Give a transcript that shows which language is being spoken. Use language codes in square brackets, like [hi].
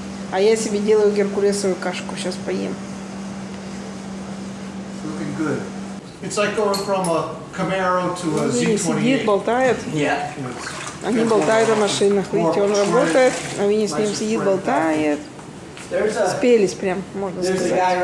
[ru] А я себе делаю геркулесовую кашку, сейчас поем. [en] Looking good. It's like going from a Camaro to a [ru] Z28. Сидит, болтает. [en] Yeah. [ru] Они болтают о машинах. Видите, он работает, а Винни с ним сидит, болтает. Спелись прям, можно сказать.